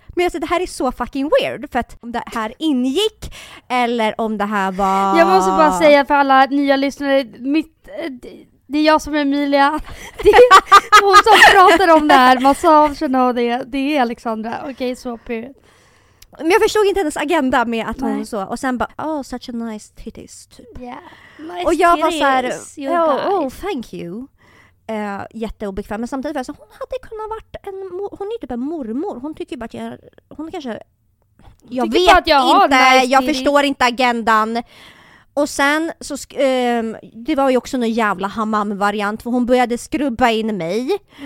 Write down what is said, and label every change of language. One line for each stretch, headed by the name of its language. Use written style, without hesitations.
Swedish: Men jag säger, det här är så
English: fucking weird.
Swedish: För att om det här ingick eller om det här var... Jag måste bara säga för alla nya lyssnare, det är jag som är Emilia. Det är hon som pratar om det här. Massagen och det är Alexandra. Okej, så period. Men jag förstod inte hennes agenda med att hon så. Och sen bara,
English: oh, such a nice titties. Typ. Yeah, nice.
Swedish: Och jag var så här,
English: oh, thank you.
Swedish: Jätteobekväm. Men samtidigt, alltså, hon hade kunnat varit en... Hon är typ en mormor. Hon tycker bara att jag... Hon kanske... Jag vet att jag inte. Nice, jag förstår inte agendan. Och sen så det var ju också någon jävla hammam-variant, för hon började skrubba in mig.